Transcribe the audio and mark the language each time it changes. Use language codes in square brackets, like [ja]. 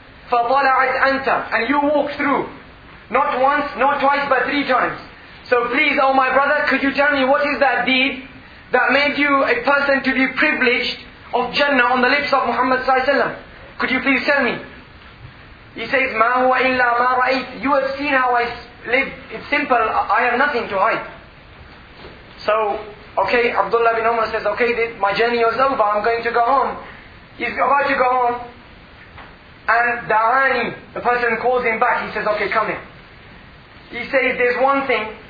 [ar] فَطَلَعَتْ أَنْتَ. [en] And you walk through. Not once, not twice, but 3 times. So please, oh my brother, could you tell me what is that deed that made you a person to be privileged of Jannah on the lips of Muhammad sallallahu alayhi wa sallam? Could you please tell me? He says, [ar] مَا هُوَ إِلَّا مَا رَأَيْتْ. [en] You have seen how I live. It's simple. I have nothing to hide. So, okay, Abdullah bin Umar says, okay, my journey is over. I'm going to go home. He's about to go home. And Da'ani, the person, calls him back. He says, okay, come here. He says, there's one thing.